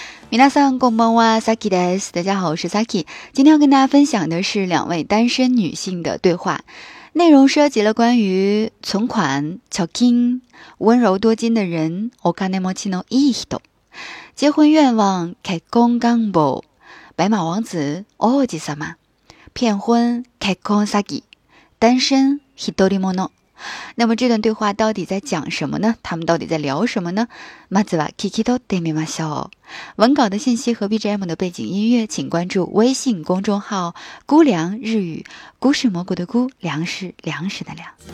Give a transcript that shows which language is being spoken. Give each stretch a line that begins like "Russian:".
Japanese: 皆さんこんばんは、サキです。
Chinese: 大家好，我是 Saki。今天要跟大家分享的是两位单身女性的对话，内容涉及了关于存款、貯金、温柔多金的人、
Japanese: お金持ちのいい人、
Chinese: 结婚愿望、結婚願望、白马王子、王子様、骗婚、結婚詐欺、单身、ひとり者。那么这段对话到底在讲什么呢？他们到底在聊什么呢？
Japanese: まずは聞き取ってみましょう。
Chinese: 文稿的信息和 BGM 的背景音乐，请关注微信公众号“菇凉日语”。菇是蘑菇的菇，凉是粮食的凉。